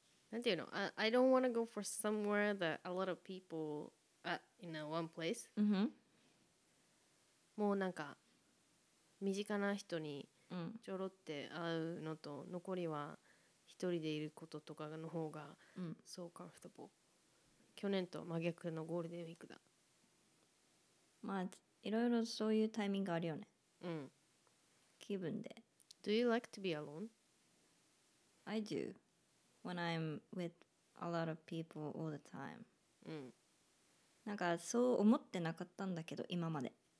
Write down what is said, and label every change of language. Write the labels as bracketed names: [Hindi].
[Japanese] なんていうの、 [English] I don't want to go for somewhere that a lot of people at you know one place、 mm-hmm. [Japanese] もうなんか身近な人にちょろって会うのと残りは一人でいることとかの方が、うん、 [English] so comfortable。 [Japanese] 去年と真逆のゴールデンウィークだ。まあいろいろそういうタイミングあるよね、うん、気分で。 [English] Do you like to be alone? I do when I'm with a lot of people all the time、 [Japanese] うん、なんかそう思ってなかったんだけど今まで。